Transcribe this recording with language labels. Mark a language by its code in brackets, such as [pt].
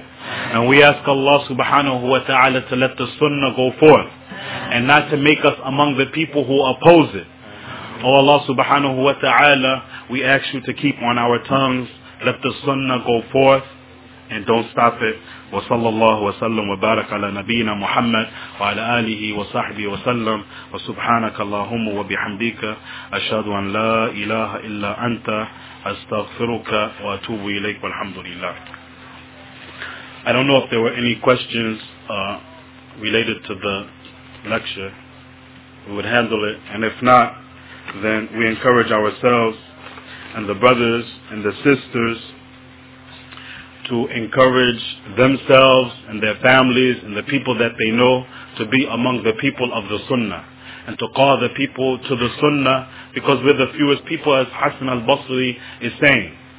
[en] And we ask Allah subhanahu wa ta'ala to let the Sunnah go forth, and not to make us among the people who oppose it. Oh Allah subhanahu wa ta'ala, we ask you to keep on our tongues, let the Sunnah go forth, and don't stop it. [ar] وصلى الله وسلم وبارك على نبينا محمد وعلى آله وصحبه وسلم. وسبحانك اللهم وبحمدك, أشهد أن لا إله إلا أنت, أستغفرك وأتوب إليك, والحمد لله. [en] I don't know if there were any questions related to the lecture. We would handle it, and if not, then we encourage ourselves and the brothers and the sisters to encourage themselves and their families and the people that they know to be among the people of the Sunnah, and to call the people to the Sunnah, because we're the fewest people, as Hasan al-Basri is saying.